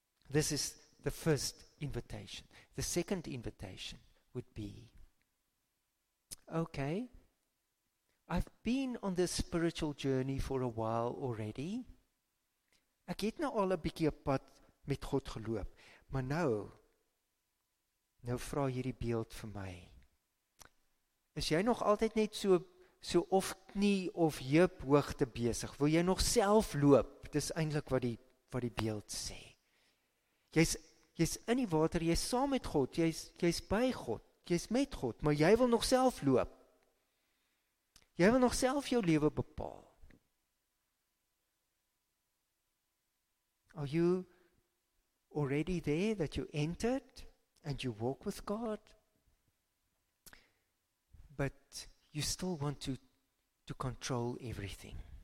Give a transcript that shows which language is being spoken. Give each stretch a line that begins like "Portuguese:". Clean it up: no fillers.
English: This is the first invitation. The second invitation would be okay, I've been on this spiritual journey for a while already.
Afrikaans: Ek het nou al 'n bietjie pad met God geloop, maar nou vra hierdie beeld vir my. Is jy nog altyd net so of knie of heup hoogte besig? Wil jy nog self loop? Dis eintlik wat die beeld sê. Jy's in die water, jy's saam met God, jy's by God, jy's met God, maar jy wil nog self loop. Jy wil nog self jou lewe bepaal.
English: Are you already there that you entered and you walk with God? But you still want to control everything.